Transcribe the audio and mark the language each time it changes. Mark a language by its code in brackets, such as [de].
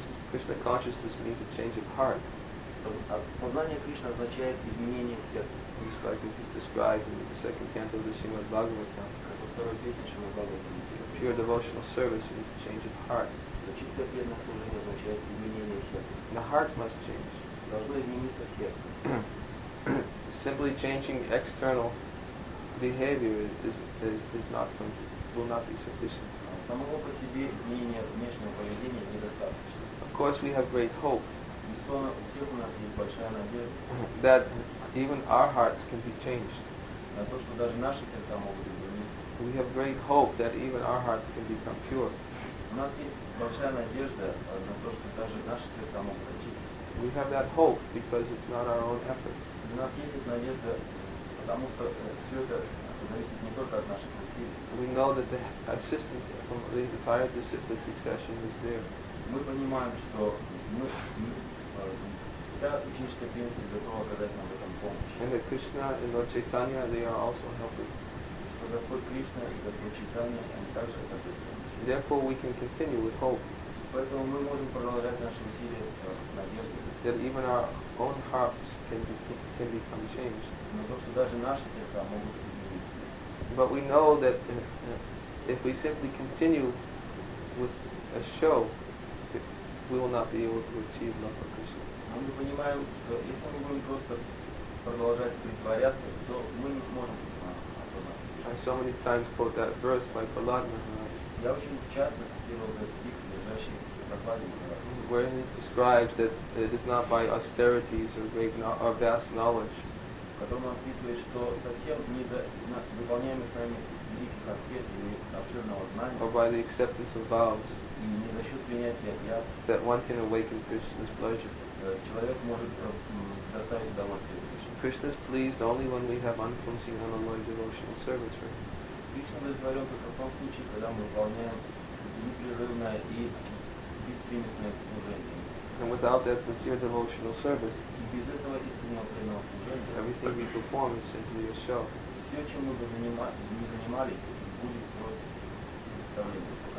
[en] Krishna consciousness means a change of heart. [ru] Сознание Кришны означает изменение сердца. [en] Just like this is described in the second canto of the Srimad Bhagavatam. Pure devotional service means a change of heart. [ru] Чистое преданное служение означает изменение сердца. [en] The heart must change. [ru] Должно измениться сердце. [en] Simply changing external behavior is not going to, will not be sufficient. [ru] Самого по себе изменение внешнего поведения недостаточно. [en] Of course we have great hope. [ru] Безусловно, у всех у нас есть большая надежда. [en] That even our hearts can be changed. [ru] На то, что даже наши сердца могут измениться. [en] We have great hope that even our hearts can become pure. [ru] У нас есть большая надежда на то, что даже наши сердца могут очиститься. [en] We have that hope because it's not our own effort. [ru] У нас есть эта надежда, потому что все это зависит не только от наших усилий. [en] We know that the assistance from the entire disciplic succession is there. [ru] Мы понимаем, что вся ученическая преданность готова оказать нам в этом помощь. [en] And that Krishna and Lord Chaitanya, they are also helping. [ru] Что Господь Кришна и Господь Чайтанья, они также это представляют. [en] Therefore we can continue with hope. [ru] Поэтому мы можем продолжать наши усилия с надеждой. [en] That even our own hearts can become changed. [ru] Но то, что даже наши сердца могут измениться. [en] But we know that if we simply continue with a show, we will not be able to achieve love for Krishna. [ru] Мы понимаем, что если мы будем просто продолжать притворяться, то мы не сможем [en] I so many times quote that verse by Prahlad Maharaj. [ru] Я очень часто цитировал этот стих, лежащий в Прахладе Махараджа. [en] Where he describes that it is not by austerities or great or vast knowledge. [ru] В котором он описывает, что совсем не за выполняемый своими великих аскетов и обширного знания. [en] Or by the acceptance of vows. [ru] И не за счет принятия клятв. [en] That one can awaken Krishna's pleasure. [ru] Человек может доставить удовольствие Кришне. [en] Krishna is pleased only when we have unflinching unalloyed devotional service for him. [ru] Кришна удовлетворен только в том случае, когда мы выполняем непрерывное и беспримесное служение. [en] And without that sincere devotional service, [ru] и без этого истинного преданного служения, [en] everything we perform is simply a show. [ru] Все, чем мы бы не занимались, будет просто представлением.